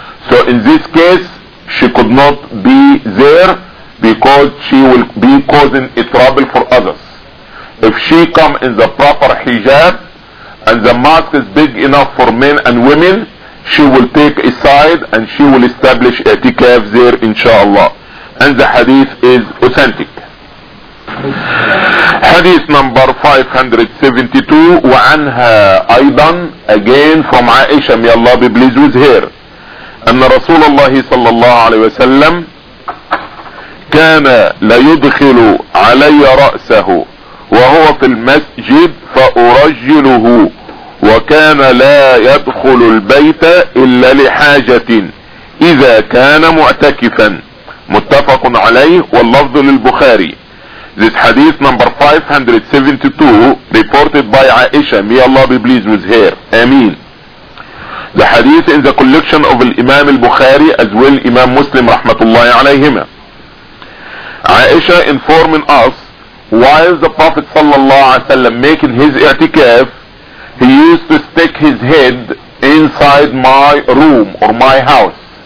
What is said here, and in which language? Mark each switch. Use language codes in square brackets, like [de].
[en] So in this case she could not be there because she will be causing a trouble for others. If she come in the proper hijab and the mask is big enough for men and women, she will take a side and she will establish i'tikaf there inshallah. And the hadith is authentic. Hadith number 572, [ar] وعنها ايضا, [en] again from Aisha, may Allah be pleased with her, [ar] ان رسول الله صلى الله عليه وسلم كان ليدخل علي رأسه وهو في المسجد فأرجله, وكان لا يدخل البيت إلا لحاجة إذا كان معتكفا. متفق عليه, واللفظ للبخاري. [en] This hadith number 572 reported by Aisha, may Allah be pleased with her, Ameen. The hadith in the collection of Imam al-Bukhari as well Imam Muslim [ar] rahmatullahi alayhima. [en] Aisha informing us, while the Prophet [ar] sallallahu alaihi wasallam [en] making his i'tikaf, he used to stick his head inside my room or my house.